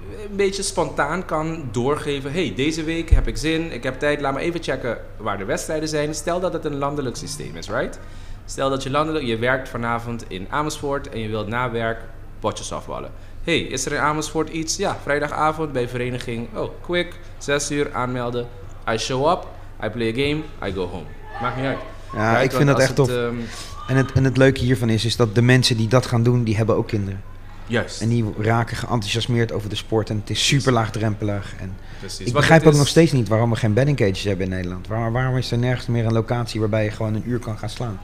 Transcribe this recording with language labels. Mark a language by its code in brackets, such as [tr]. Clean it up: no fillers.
[nl] een beetje spontaan kan doorgeven. Hey, deze week heb ik zin, ik heb tijd. Laat me even checken waar de wedstrijden zijn. Stel dat het een landelijk systeem is, right? Stel dat je landelijk, je werkt vanavond in Amersfoort en je wilt na werk potjes afballen. Hey, is er in Amersfoort iets? Ja, vrijdagavond bij vereniging. Oh, quick, 6:00 aanmelden. [en] I show up, I play a game, I go home. [nl] Maakt niet uit. Ja, right? Ik vind dat echt tof. En het leuke hiervan is dat de mensen die dat gaan doen, die hebben ook kinderen. Juist. En die raken geenthousiasmeerd over de sport en het is super laagdrempelig. En ik begrijp ook nog steeds niet waarom we geen betting cages hebben in Nederland. Waarom is er nergens meer een locatie waarbij je gewoon een uur kan gaan slaan?